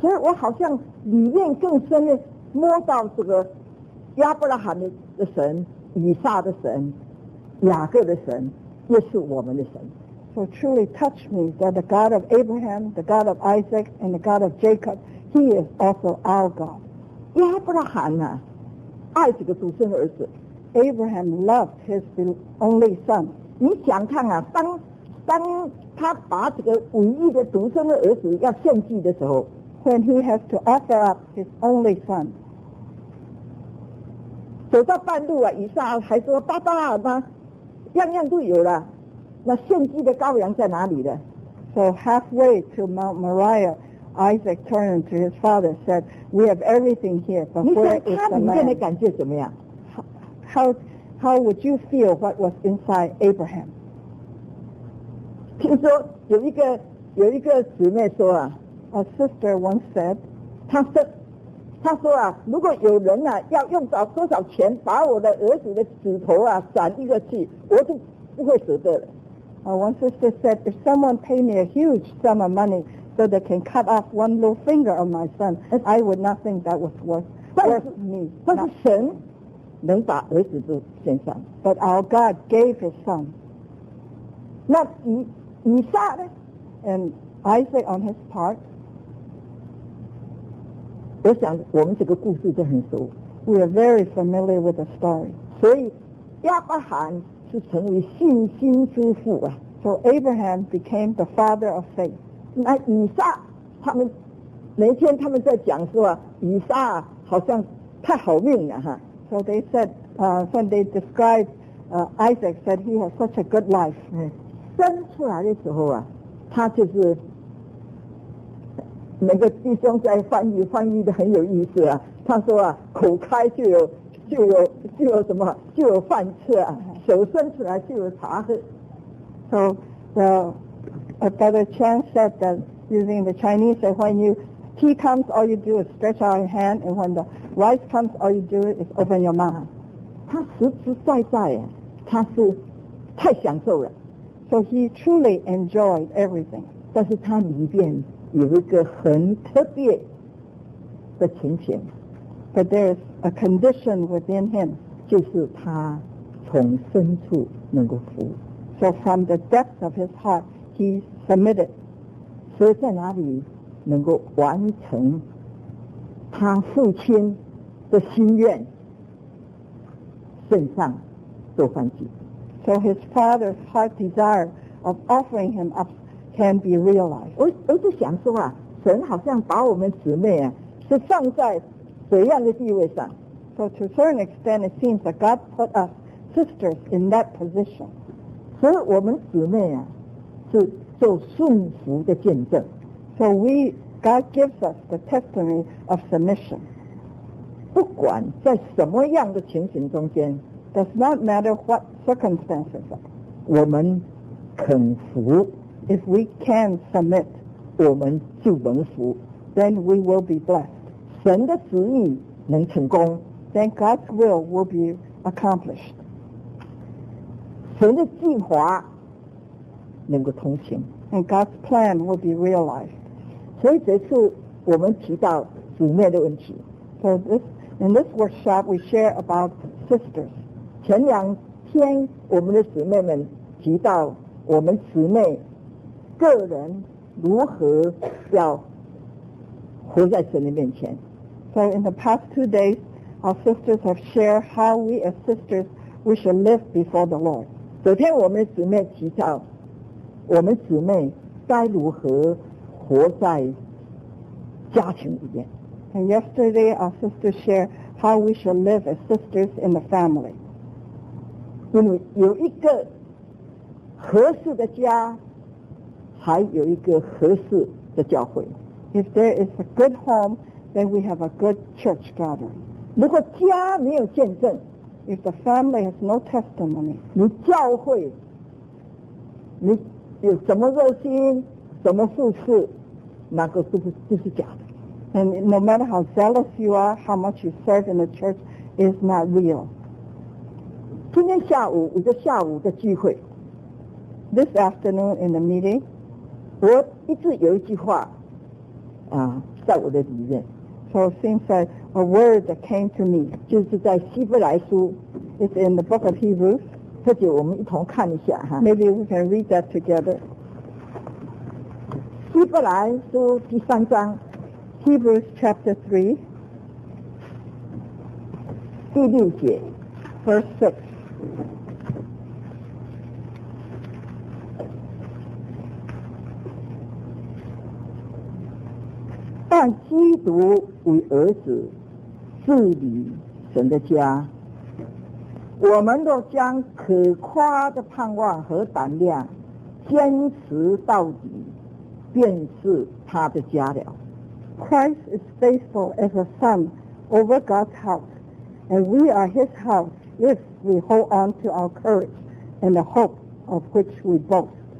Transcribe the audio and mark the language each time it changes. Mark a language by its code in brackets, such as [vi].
[zh] 所以我好像里面更深的摸到这个亚伯拉罕的神、以撒的神、雅各的神，也是我们的神。 [en] So truly touched me that the God of Abraham, the God of Isaac, and the God of Jacob, He is also our God. [zh] 亚伯拉罕呢、啊，爱这个独生儿子。 [en] Abraham loved his only son。 [zh] 你想看啊，当他把这个唯一的独生的儿子要献祭的时候 [en] ，when he has to offer up his only son， [zh] 走到半路啊，以撒还说：“爸爸、啊，妈，样样都有了，那献祭的羔羊在哪里呢 [en] ？”So halfway to Mount Moriah。 Isaac turned to his father and said, We have everything here, but where is the man? [zh] 你想他里面的感觉怎么样? [en] How would you feel what was inside Abraham? [zh] 听说有一个姊妹说啊, [en] A sister once said, [zh] 她说啊, 如果有人啊, 要用到多少钱把我的儿子的指头啊, 斩一个去, 我就不会舍得了。 [en] One sister said, If someone paid me a huge sum of money,So they can cut off one little finger of my son. I would not think that was worth me. [zh] 但是神能把儿子都献上。 [en] But our God gave his son. [zh] 那以撒呢? [en] And Isaac on his part. [zh] 我想我们这个故事就很熟。 [en] We are very familiar with the story. [zh] 所以亚伯罕是成为信心之父啊。 [en] So Abraham became the father of faith. [zh] 那以撒他们那天他们在讲说以撒好像太好命了哈 [en] So they said when they described Isaac said he has such a good life [zh] 生出来的时候啊他就是那个弟兄在翻译的很有意思啊他说啊口开就有什么就有饭吃啊手伸出来就有茶喝 [en] So the Brother Chan said that using the Chinese that when you tea comes all you do is stretch out your hand and when the rice comes all you do is open your mouth [zh] 他实实在在他是太享受了 [en] So he truly enjoyed everything [zh] 但是他里面有一个很特别的情形 [en] But there is a condition within him [zh] 就是他从深处能够服 [en] So from the depth of his heartHe submitted. [zh] 所以在哪里能够完成他父亲的心愿，献上做燔祭。 [en] So his father's heart desire of offering him up can be realized. [zh] 我就想说啊，神好像把我们姊妹啊是放在怎样的地位上 [en] ？So to a certain extent, it seems that God put us sisters in that position. [zh] 所以我们姊妹啊。是做顺服的见证 [en] So we God gives us the testimony of submission [zh] 不管在什么样的情形中间 [en] does not matter what circumstances are. [zh] 我们肯服 [en] if we can submit, [zh] 我们就蒙福 [en] then we will be blessed. [zh] 神的旨意能成功 [en] then God's will be accomplished. [zh] 神的计划能够通行 [en] and God's plan will be realized. [zh] 所以这次我们提到姊妹的问题 [en] so in this workshop we share about sisters. [zh] 前两天我们的姊妹们提到我们姊妹个人如何要活在神的面前 [en] so in the past 2 days our sisters have shared how we as sisters we should live before the Lord. [zh] 昨天我们的姊妹提到我们姊妹该如何活在家庭里面 [en] and yesterday our sisters shared how we should live as sisters in the family. [zh] 因为有一个合适的家还有一个合适的教会 [en] if there is a good home then we have a good church gathering [zh] 如果家没有见证 [en] if the family has no testimony [zh] 你教会你有什么热心什么付出那个是不是就是假的 [en] and no matter how zealous you are how much you serve in the church is not real [zh] 今天下午我就下午的聚会 [en] This afternoon in the meeting, [zh] 我一直有一句话啊，在我的里面。 [en] So it seems like a word that came to me, [zh] 就是在希伯来书 [en] It's in the book of Hebrews. [zh] 特别我们一同看一下哈。 [en] Maybe we can read that together. [zh] 希伯来书第三章 [en] Hebrews chapter [zh] 3, 第六节 [en] verse 6. [zh] 但基督为儿子治理神的家我们都将可夸的盼望和胆量坚持到底便是他的家了 [en] Christ is faithful as a son over God's house and we are his house if we hold on to our courage and the hope of which we boast